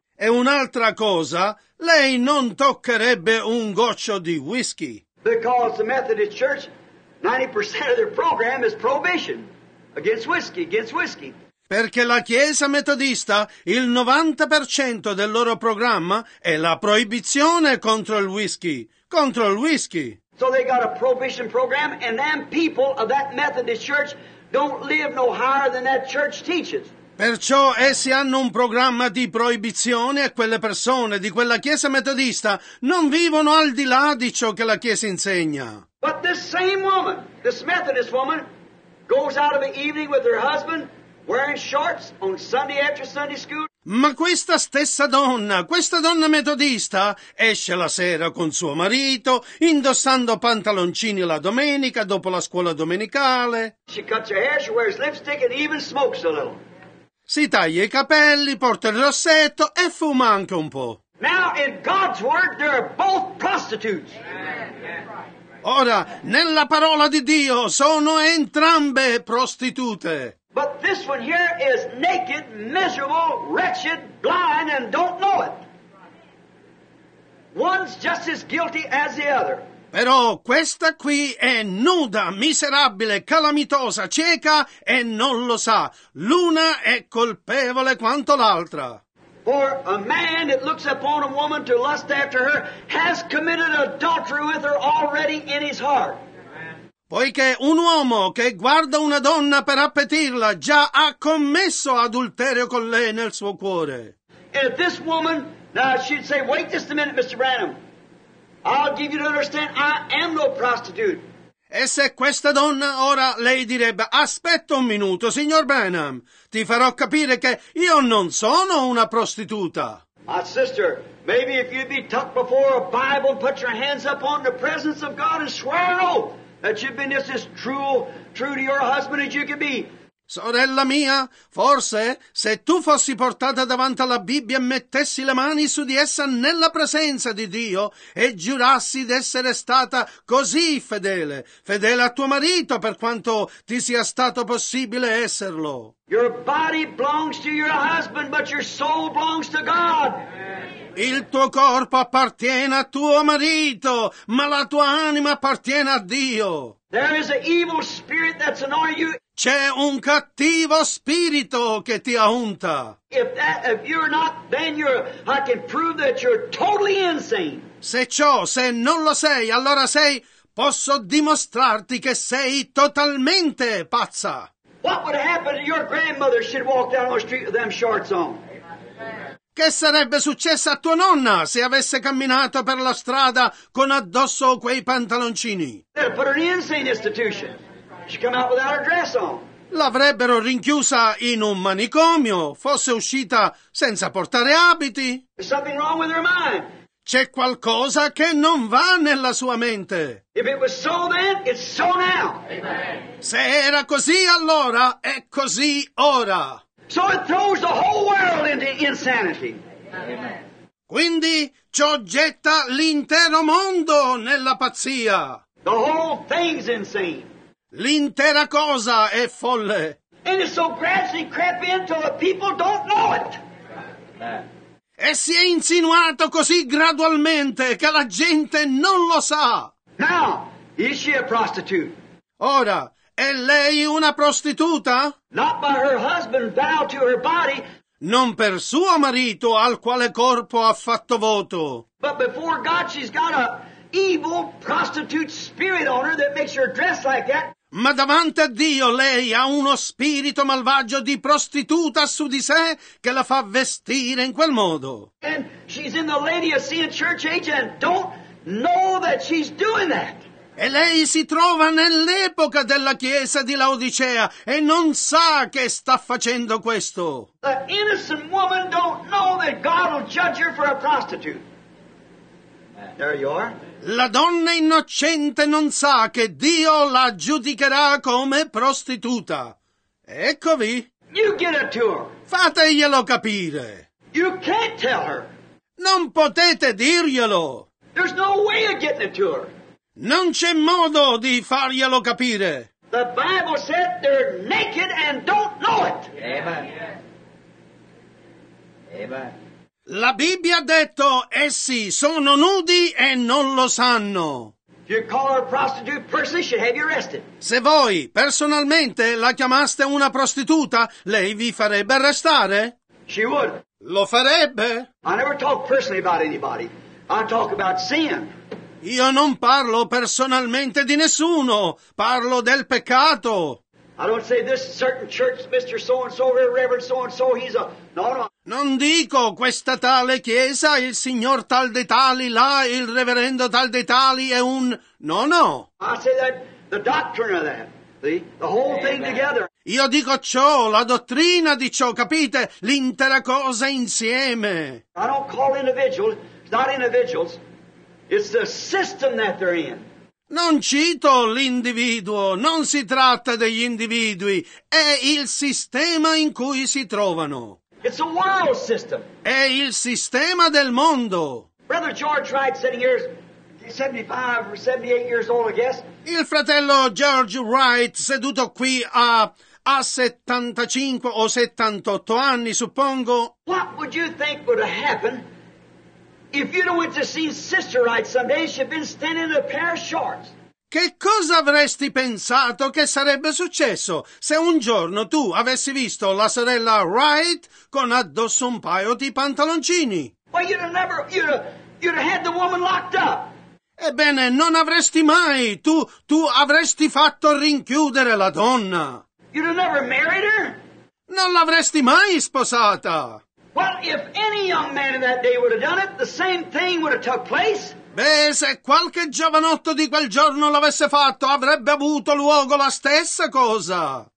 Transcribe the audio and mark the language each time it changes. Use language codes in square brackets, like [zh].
[it] E un'altra cosa, lei non toccherebbe un goccio di whisky. [en] Because the Methodist Church, 90% of their program is prohibition against whiskey. [it] Perché la Chiesa metodista, il 90% del loro programma è la proibizione contro il whisky. [en] So they got a prohibition program, and them people of that Methodist Church don't live no higher than that church teaches. [it] Perciò essi hanno un programma di proibizione e quelle persone di quella chiesa metodista non vivono al di là di ciò che la chiesa insegna. [en] But this same woman, this Methodist woman, goes out of the evening with her husband wearing shorts on Sunday after Sunday school. [it] Ma questa donna metodista esce la sera con suo marito indossando pantaloncini la domenica dopo la scuola domenicale. [en] She cuts her hair, she wears lipstick and even smokes a little. [it] Si taglia i capelli, porta il rossetto e fuma anche un po'. [en] Now in God's word they're both prostitutes. [it] Ora, nella parola di Dio, sono entrambe prostitute. [en] But this one here is naked, miserable, wretched, blind and don't know it. One's just as guilty as the other. [it] Però questa qui è nuda, miserabile, calamitosa, cieca e non lo sa. L'una è colpevole quanto l'altra. [en] For a man that looks upon a woman to lust after her has committed adultery with her already in his heart. [it] Poiché un uomo che guarda una donna per appetirla già ha commesso adulterio con lei nel suo cuore. [en] If this woman, now she'd say, wait just a minute, Mr. Branham. I'll give you to understand I am no prostitute. [it] E se questa donna ora lei direbbe, aspetta un minuto, signor Branham, ti farò capire che io non sono una prostituta. [en] My sister, maybe if you'd be tucked before a Bible and put your hands up on the presence of God and swear an oath that you've been just as true to your husband as you could be. [it] Sorella mia, forse se tu fossi portata davanti alla Bibbia e mettessi le mani su di essa nella presenza di Dio e giurassi d'essere stata così fedele a tuo marito per quanto ti sia stato possibile esserlo. [en] Your body belongs to your husband, but your soul belongs to God. [it] Il tuo corpo appartiene a tuo marito, ma la tua anima appartiene a Dio. [en] There is an evil spirit that's annoying you. [it] C'è un cattivo spirito che ti aunta. [en] If you're not, then you're, I can prove that you're totally insane. [it] Se non lo sei, allora sei, posso dimostrarti che sei totalmente pazza. [en] What would happen if your grandmother should walk down the street with them shorts on? [it] Che sarebbe successo a tua nonna se avesse camminato per la strada con addosso quei pantaloncini? [en] They'd put her in an insane institution. She come out without her dress on. [it] L'avrebbero rinchiusa in un manicomio, fosse uscita senza portare abiti. [en] There's something wrong with her mind. [it] C'è qualcosa che non va nella sua mente. [en] If it was so then, it's so now. Amen. [it] Se era così allora, è così ora. [en] So it throws the whole world into insanity. [it] Quindi ciò getta l'intero mondo nella pazzia. [en] The whole thing's insane. [it] L'intera cosa è folle. [en] And it's so gradually crept in till the people don't know it. [it] E si è insinuato così gradualmente che la gente non lo sa. [en] Now, is she a prostitute? [it] Ora, è lei una prostituta? [en] Not by her husband vowed to her body. [it] Non per suo marito al quale corpo ha fatto voto. [en] But before God, she's got a evil prostitute spirit on her that makes her dress like that. [it] Ma davanti a Dio lei ha uno spirito malvagio di prostituta su di sé che la fa vestire in quel modo. [en] And she's in the Laodicea church age and don't know that she's doing that. [it] E lei si trova nell'epoca della chiesa di Laodicea e non sa che sta facendo questo. [en] The innocent woman don't know that God will judge her for a prostitute. There you are. [it] La donna innocente non sa che Dio la giudicherà come prostituta. Eccovi. [en] You get it to her. [it] Fateglielo capire. [en] You can't tell her. [it] Non potete dirglielo. [en] There's no way of getting it to her. [it] Non c'è modo di farglielo capire. [en] The Bible said they're naked and don't know it. Amen. Amen. [it] La Bibbia ha detto, essi sono nudi e non lo sanno. [en] If you call her a prostitute person, she'd have you arrested. [it] Se voi personalmente la chiamaste una prostituta, lei vi farebbe arrestare? [en] She would. [it] Lo farebbe? [en] I never talk personally about anybody. I talk about sin. [it] Io non parlo personalmente di nessuno, parlo del peccato. [en] I don't say this certain church, Mr. So-and-so, Reverend So-and-so, he's a... No, no. [it] Non dico questa tale chiesa, il signor tal dei tali là, il reverendo tal dei tali è un... [en] No, no. I say that, the doctrine of that, the whole Amen. Thing together. [it] Io dico ciò, la dottrina di ciò, capite? L'intera cosa insieme. [en] I don't call individuals, not individuals, it's the system that they're in. [it] Non cito l'individuo, non si tratta degli individui, è il sistema in cui si trovano. [en] It's a world system. [it] È il sistema del mondo. [en] Brother George Wright, sitting here, 75 or 78 years old, I guess. [it] Il fratello George Wright, seduto qui a 75 o 78 anni, suppongo. [en] What would you think would happen? If you'd have went to see Sister Wright someday, she'd been standing in a pair of shorts. [it] Che cosa avresti pensato che sarebbe successo se un giorno tu avessi visto la sorella Wright con addosso un paio di pantaloncini? [en] Well, you'd have had the woman locked up. [it] Ebbene, non avresti mai, tu avresti fatto rinchiudere la donna. [en] You'd have never married her. [it] Non l'avresti mai sposata. [en] Well, if any young man in that day would have done it, the same thing would have took place. [it] Beh, se qualche giovanotto di quel giorno l'avesse fatto, avrebbe avuto luogo la stessa cosa.